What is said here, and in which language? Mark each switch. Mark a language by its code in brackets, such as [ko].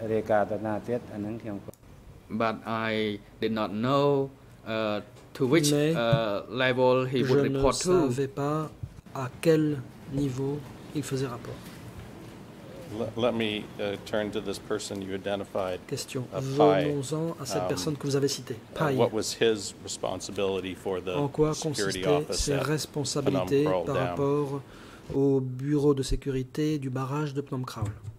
[en] But I did not know to which level he would report to. [fr] Je ne savais pas à quel niveau il faisait rapport. [en] Let me turn to this person you identified. [fr] Question. Venons-en à cette personne que vous avez citée. Pai. [en] What was his responsibility for the [fr] en quoi consistaient ses responsabilités par rapport au bureau de sécurité du barrage de Phnom Krall?